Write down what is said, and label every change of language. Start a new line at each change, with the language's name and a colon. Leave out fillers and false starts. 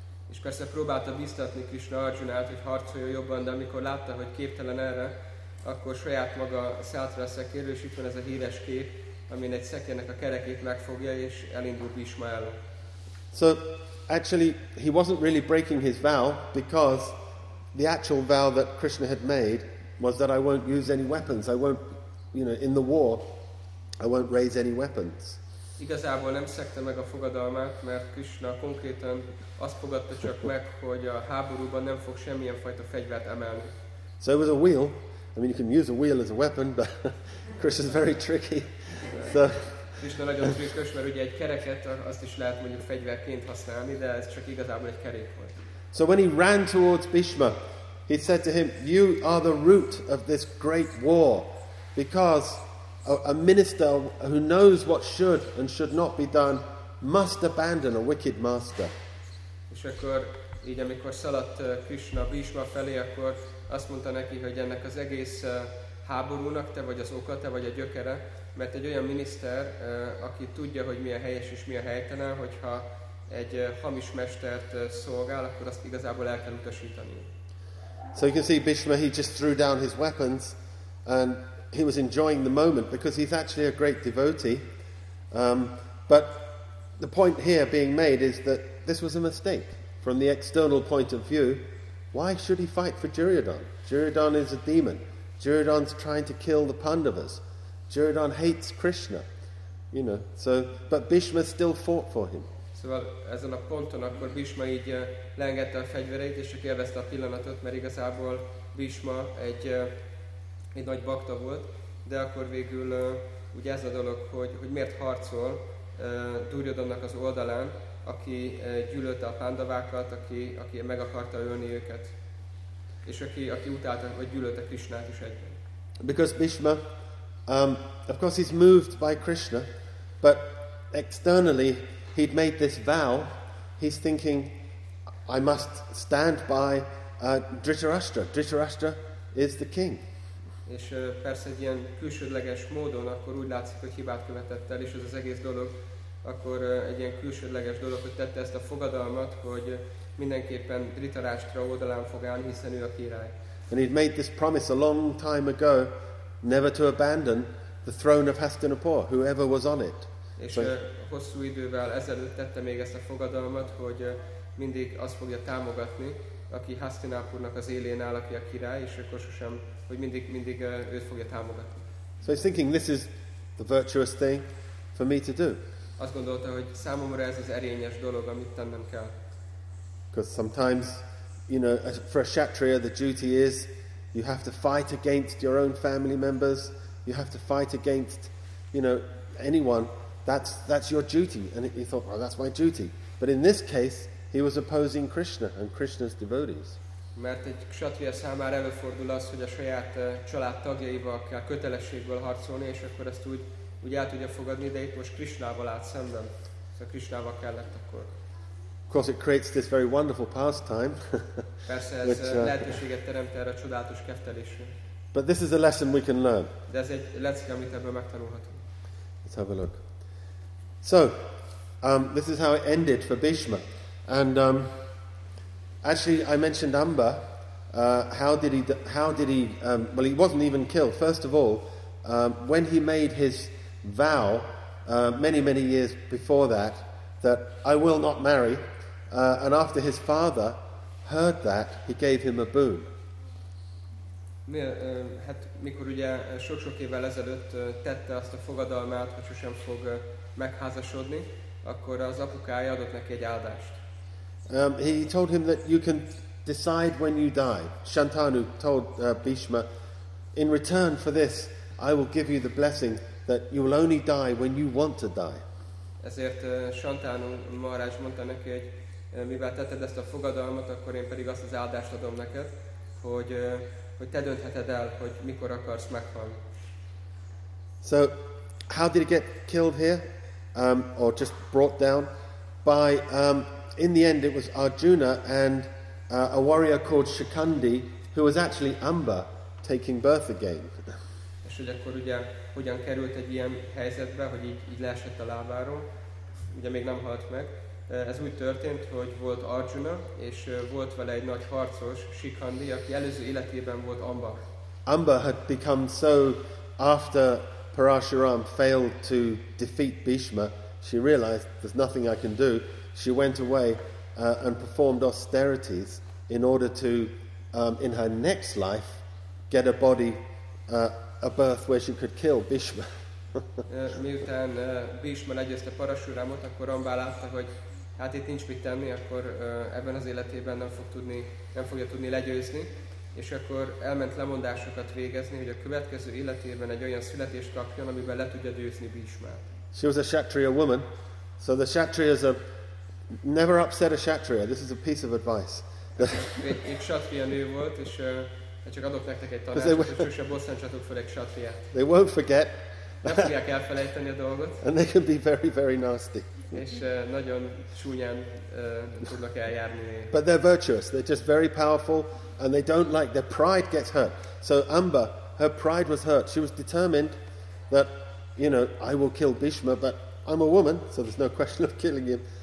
Hungarian: És persze próbálta biztatni Krishna Arjunát, hogy harcoljon jobban, de amikor látta, hogy képtelen erre, akkor saját maga szállt rá a szekérről, és itt van ez a híres kép, amin egy szekérnek a kerekét megfogja, és elindul Bhishma ellen.
English: So, actually, he wasn't really breaking his vow, because the actual vow that Krishna had made was that I won't use any weapons, I won't, you know, in the war, I won't raise any weapons.
Hungarian: Igazából nem szegte meg a fogadalmát, mert Krishna konkrétan azt fogadta csak meg, hogy a háborúban nem fog semmilyen fajta fegyvert emelni.
English: So it was a wheel. I mean, you can use a wheel as a weapon, but Krishna is very tricky. So
Hungarian: Krishna nagyon trükkös, mert ugye egy kereket azt is lehet mondjuk fegyverként használni, de ez csak igazából egy kerék volt.
English: So when he ran towards Bhishma, he said to him, "You are the root of this great war, because a minister who knows what should and should not be done must abandon a wicked master."
Hungarian: És akkor így, amikor szaladt Krishna Bhishma felé, akkor azt mondta neki, hogy ennek az egész háborúnak te vagy az oka, te vagy a gyökere, mert egy olyan miniszter, aki tudja, hogy mi a helyes és mi a helytelen, hogyha egy hamis mestert szolgál, akkor azt igazából el kell utasítani.
English: So you can see Bhishma, he just threw down his weapons and he was enjoying the moment because he's actually a great devotee. But the point here being made is that this was a mistake from the external point of view. Why should he fight for Duryodhan? Duryodhan is a demon. Duryodhan's trying to kill the Pandavas. Duryodhan hates Krishna. You know, so, but Bhishma still fought for him.
Hungarian: Szóval ezen a ponton akkor Bhishma így leengedte a fegyvereit, és csak élvezte a pillanatot, mert igazából Bhishma egy nagy bakta volt, de akkor végül ugye ez a dolog, hogy miért harcol Duryodhannak az oldalán, aki gyűlölte a pándavákat, aki meg akarta ölni őket, és aki utálta, vagy gyűlölte Krishnát is egyben.
English: Because Bhishma, of course he's moved by Krishna, but externally he'd made this vow, he's thinking, I must stand by Dhritarashtra. Dhritarashtra is the king.
Hungarian: És persze egy ilyen külsődleges módon akkor úgy látszik, hogy hibát követett el, és ez az egész dolog akkor egy ilyen külsődleges dolog, hogy tette ezt a fogadalmat, hogy mindenképpen Dhritarashtra oldalán fog állni, hiszen ő a király.
English: And he'd made this promise a long time ago, never to abandon the throne of Hastinapur, whoever was on it.
Hungarian: És hosszú idővel ezelőtt tette még ezt a fogadalmat, hogy mindig azt fogja támogatni, aki Hastinapurnak az élén áll, aki a király, és akkor sosem, hogy mindig őt fogja támogatni.
English: So he's thinking, this is the virtuous thing for me to do.
Hungarian: Azt gondolta, hogy számomra ez az erényes dolog, amit tennem kell.
English: Because sometimes, you know, for a kshatriya, the duty is, you have to fight against your own family members, you have to fight against, you know, anyone. That's your duty. And he thought, well, that's my duty. But in this case, he was opposing Krishna and Krishna's devotees.
Hungarian: Mert egy kshatriya számára előfordul az, hogy a saját család tagjaival kell kötelességből harcolni, és akkor ezt úgy el tudja fogadni, de itt most Krishnával állt szemben. Szóval Krishnával kellett akkor.
English: Of course, it creates this very wonderful pastime.
Hungarian: Persze ez which, lehetőséget teremt erre a csodálatos keftelésre.
English: But this is a lesson we can learn.
Hungarian: De ez egy lecke, amit ebből megtanulhatunk.
English: Let's have a look. So, this is how it ended for Bhishma. And actually, I mentioned Amba. Well, he wasn't even killed. First of all, when he made his vow many, many years before that I will not marry, and after his father heard that, he gave him a boon.
Hungarian: Hát mikor ugye sok-sok évvel ezelőtt tette azt a fogadalmát, hogy sosem fog megházasodni, akkor az apukája adott neki egy áldást.
English: He told him that you can decide when you die. Shantanu told Bhishma, in return for this, I will give you the blessing that you will only die when you want to die.
Hungarian: Ezért Shantanu Maharaj mondta neki, hogy mivel tetted ezt a fogadalmat, akkor én pedig azt az áldást adom neked, hogy te döntheted el, hogy mikor akarsz meghalni.
English: So, how did he get killed here? Or just brought down? By, in the end, it was Arjuna and a warrior called Shikhandi, who was actually Amba, taking birth again.
Hungarian: És hogy akkor ugye, hogyan került egy ilyen helyzetbe, hogy így leesett a lábáról, ugye még nem halt meg. Ez úgy történt, hogy volt Arjuna, és volt vele egy nagy harcos, Shikhandi, aki előző életében volt Amba.
English: Amba had become so, after Parashuram failed to defeat Bhishma, she realized, there's nothing I can do. She went away and performed austerities in order to, in her next life, get a body, a birth where she could kill Bhishma.
Hungarian: Miután Bhishma legyőzte Parashuramot, akkor Amba látta, hogy hát itt nincs mit tenni, akkor ebben az életében nem fogja tudni legyőzni, és akkor elment lemondásokat végezni, hogy a következő életében egy olyan születést kapjon, amiben le tudja győzni Bhishmát.
English: She was a kshatriya woman, so the kshatriyas are never upset a kshatriya. This is a piece of advice.
Hungarian: Egy kshatriya nő volt, és csak adok nektek egy tanácsot, hogy sose bosszantsatok fel egy kshatriyát.
English: They won't forget.
Hungarian: Nem fogják elfelejteni a dolgot.
English: And they can be very, very nasty.
Hungarian: És nagyon csúnyán tudnak eljárni.
English: But they're virtuous. They're just very powerful, and they don't like their pride gets hurt. So Amba, her pride was hurt. She was determined that, you know, I will kill Bhishma, but I'm a woman, so there's no question of killing him.